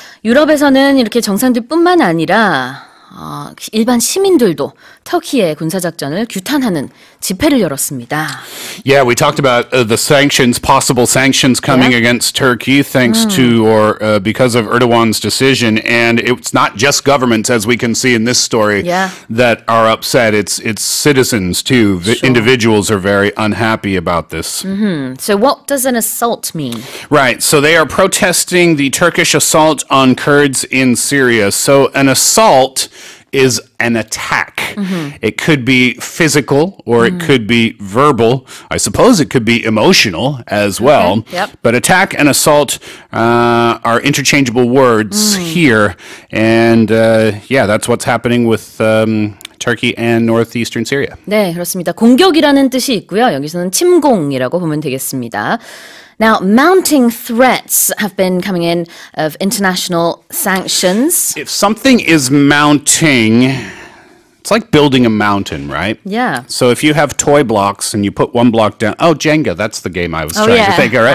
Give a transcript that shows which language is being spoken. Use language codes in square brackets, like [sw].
[ko] 유럽에서는 이렇게 정상들뿐만 아니라 일반 시민들도 터키의 군사작전을 규탄하는 집회를 열었습니다. [en] Yeah, we talked about the sanctions, possible sanctions coming yeah. against Turkey thanks to or because of Erdogan's decision. And it's not just governments, as we can see in this story, yeah. that are upset. It's citizens, too. Sure. Individuals are very unhappy about this. Mm-hmm. So what does an assault mean? Right. So they are protesting the Turkish assault on Kurds in Syria. So an assault is an attack. Mm-hmm. It could be physical or it could be verbal. I suppose it could be emotional as well. Okay. Yep. But attack and assault are interchangeable words here. And yeah, that's what's happening with Turkey and northeastern Syria. [ko] 네, 그렇습니다. 공격이라는 뜻이 있고요. 여기서는 침공이라고 보면 되겠습니다. [en] Now, mounting threats have been coming in of international sanctions. If something is mounting, it's like building a mountain, right? Yeah. So if you have toy blocks and you put one block down, oh, Jenga, that's the game I was trying to think, all right?